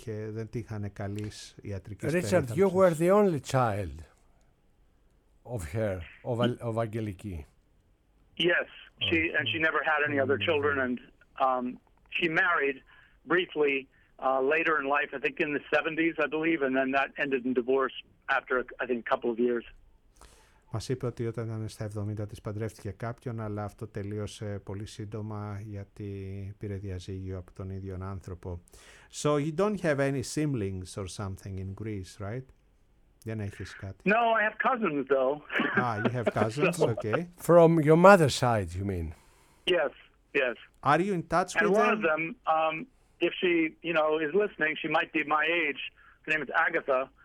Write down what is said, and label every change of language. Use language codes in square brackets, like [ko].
[el] δεν είχαν καλής ιατρικής περίθαλψης. [en] Richard, you were the only child of her, of Angeliki. Yes, she never had any other children, and she married briefly later in life, I think in the 70s, I believe, and then that ended in divorce after, I think, a couple of years. [el] Μας είπε ότι όταν ήταν στα 70 της παντρεύτηκε κάποιον, αλλά αυτό τελείωσε πολύ σύντομα γιατί πήρε διαζύγιο από τον ίδιο άνθρωπο. [en] So you don't have any siblings or something in Greece, right? [el] Δεν έχεις κάτι. [en] No, I have cousins though. Ah, you have cousins, so, okay. From your mother's side, you mean? Yes, yes. Are you in touch and with one them? One of them, if she, you know, is listening, she might be my age. Her name is Agatha.